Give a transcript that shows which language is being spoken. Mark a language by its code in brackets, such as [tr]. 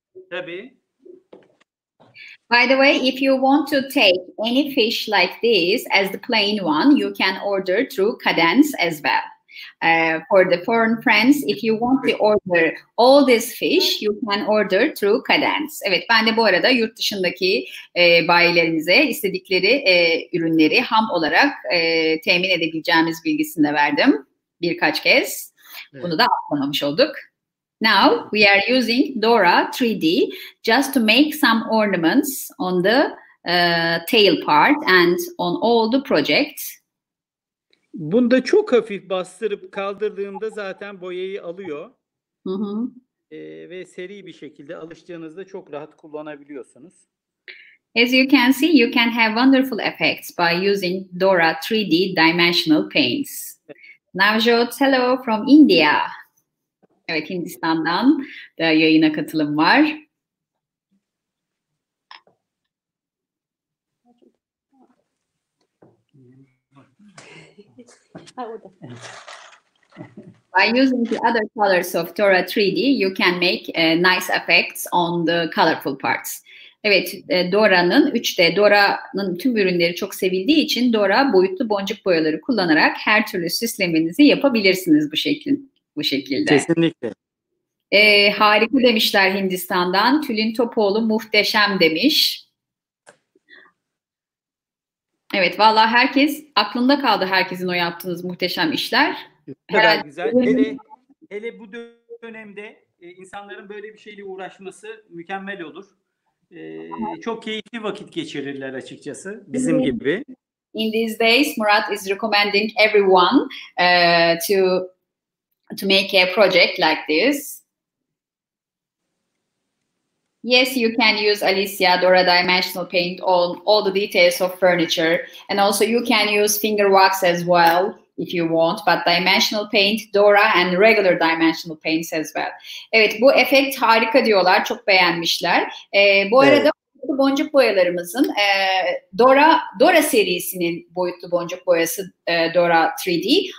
[tr] Tabii. [en] By the way, if you want to take any fish like this as the plain one, you can order through Cadence as well. For the foreign friends, if you want to order all this fish, you can order through Cadence. [tr] Evet, ben de bu arada yurt dışındaki bayilerimize istedikleri ürünleri ham olarak temin edebileceğimiz bilgisini de verdim birkaç kez. Bunu da atlamamış olduk. [en] Now we are using Dora 3D just to make some ornaments on the tail part and on all the projects. [tr] Bunda çok hafif bastırıp kaldırdığımda zaten boyayı alıyor. Ve seri bir şekilde alıştığınızda çok rahat kullanabiliyorsunuz. [en] As you can see, you can have wonderful effects by using Dora 3D dimensional paints. [tr] Navjot, [en] hello from India. [tr] Evet, Hindistan'dan da yayına katılım var. [en] By using the other colors of Dora 3D, you can make nice effects on the colorful parts. [tr] Evet, Dora'nın 3D, Dora'nın tüm ürünleri çok sevildiği için Dora boyutlu boncuk boyaları kullanarak her türlü süslemenizi yapabilirsiniz bu şekilde. Bu şekilde. Kesinlikle. Harika demişler Hindistan'dan. Tülin Topoğlu muhteşem demiş. Evet, vallahi herkes aklında kaldı herkesin o yaptığınız muhteşem işler. Herhalde güzel. Hele bu dönemde insanların böyle bir şeyle uğraşması mükemmel olur. Çok keyifli vakit geçirirler açıkçası bizim gibi. [en] In these days Murat is recommending everyone to make a project like this. Yes, you can use Alicia Dora dimensional paint on all the details of furniture. And also you can use finger wax as well if you want. But dimensional paint, Dora and regular dimensional paints as well. [tr] Evet, bu efekt harika diyorlar. Çok beğenmişler. Bu arada boyutlu boncuk boyalarımızın Dora serisinin boyutlu boncuk boyası Dora 3D.